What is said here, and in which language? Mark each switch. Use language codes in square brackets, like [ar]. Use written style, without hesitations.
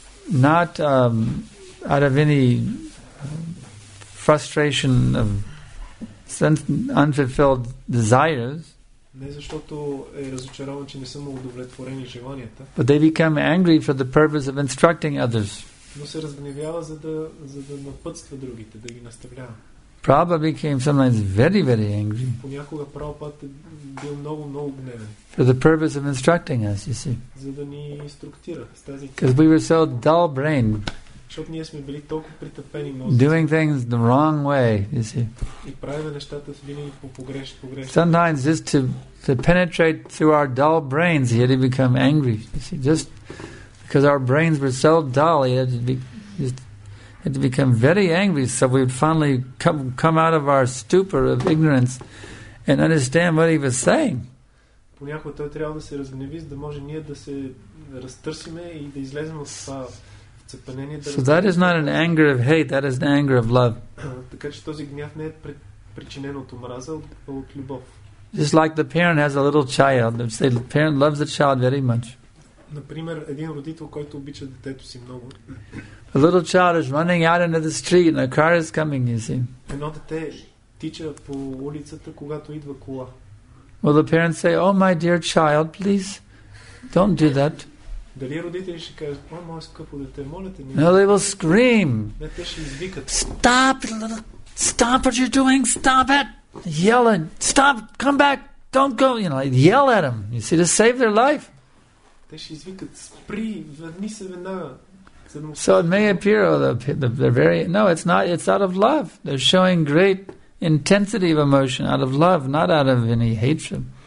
[en] Not out of any frustration of unfulfilled desires. [bg] Не защото е разочарован, че не са му удовлетворени желанията. [en] But they become angry for the purpose of instructing others. [bg] Но се разгневява, за да напътства другите, да ги наставлява. [en] Prabhupada became sometimes very, very angry. [bg] Понякога Прабхупад бил много, много гневен. [en] For the purpose of instructing us, you see. [bg] За да ни инструктира с тази. [en] Because we were so dull-brained. [bg] Защото ние сме били толкова притъпени мозъци. [en] Doing things the wrong way, you see. [bg] И правиме нещата с винаги по погрешни. [en] Sometimes just to penetrate through our dull brains, he had to become angry. You see, just because our brains were so dull, he had to be just. Had to become very angry, so we would finally come out of our stupor of ignorance and understand what he was saying. [bg] Понякога той трябва да се разгневи, за да може ние да се разтърсиме и да излезем от това вцепенение. [en] So that is not an anger of hate, that is an anger of love. [bg] Така че този гняв не е причинен от омраза, а от любов. [en] Just like the parent has a little child, the parent loves the child very much. [bg] Например, един родител, който обича детето си много. [en] A little child is running out into the street and a car is coming, you see. [bg] Едно дете тича по улицата, когато идва кола. [en] Will the parents say, "Oh, my dear child, please don't do that"? [bg] Дали родителите ще кажат, "О, мое скъпо дете, моля те"? [en] No, they will scream. [bg] Не, те ще извикат. [en] Stop, little, stop what you're doing, stop it! Yell and stop, come back, don't go, you know, yell at them, you see, to save their life. [bg] Те ще извикат, спри, върни се веднага. [en] So it may appear, oh, they're very... No, it's not. It's out of love. They're showing great intensity of emotion out of love, not out of any hatred.